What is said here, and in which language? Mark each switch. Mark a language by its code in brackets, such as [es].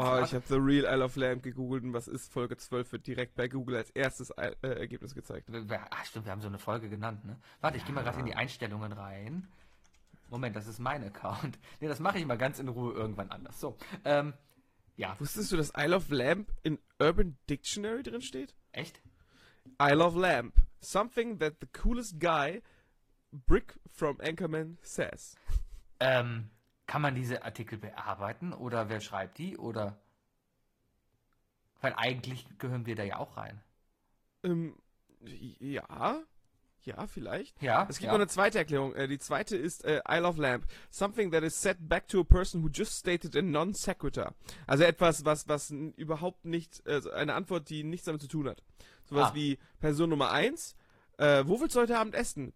[de] Oh, ich habe The Real Isle of Lamb gegoogelt und was ist? Folge 12 wird direkt bei Google als erstes Ergebnis gezeigt. Ach stimmt, wir haben so eine Folge genannt, ne? Warte, ja. Ich gehe mal gerade in die Einstellungen rein. Moment, das ist mein Account. Ne, das mache ich mal ganz in Ruhe irgendwann anders. So, ja. Wusstest du, dass Isle of Lamb in Urban Dictionary drin steht? Echt? [en] I love lamp. Something that the coolest guy, Brick from Anchorman, says. [de] Kann man diese Artikel bearbeiten? Oder wer schreibt die? Oder? Weil eigentlich gehören wir da ja auch rein. Ja. Ja, vielleicht. Ja, es gibt noch ja. eine zweite Erklärung. Die zweite ist I love lamp. [en] Something that is said back to a person who just stated a non sequitur. [de] Also etwas, was überhaupt nicht, also eine Antwort, die nichts damit zu tun hat. Sowas wie Person Nummer 1, wo willst du heute Abend essen?